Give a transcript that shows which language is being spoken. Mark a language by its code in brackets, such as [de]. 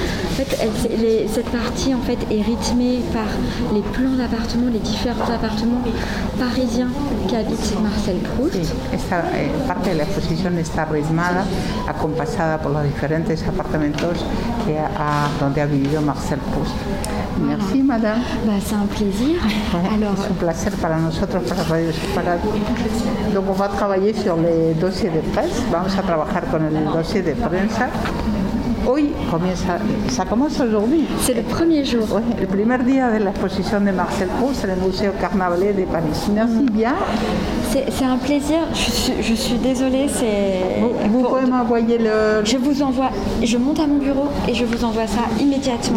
[fr] En fait, cette partie en fait est rythmée par les plans d'appartements, les différents appartements parisiens qu'habite Marcel Proust. [es] Sí, esta parte de la exposición está rythmée, acompasada por los diferentes apartamentos donde ha vivido Marcel Proust. [fr] Merci madame. Bah, c'est un plaisir. Alors, c'est un plaisir pour nous de travailler sur la. Donc on va travailler sur les dossiers de presse. [es] Vamos a trabajar con el dossier de prensa. Hoy comienza, [fr] ça commence aujourd'hui. C'est le premier jour. Oui, le premier jour de l'exposition de Marcel Proust au Musée Carnavalet de Paris. Merci bien. C'est un plaisir. Je suis désolée. Vous pouvez m'envoyer le. Je monte à mon bureau et je vous envoie ça immédiatement.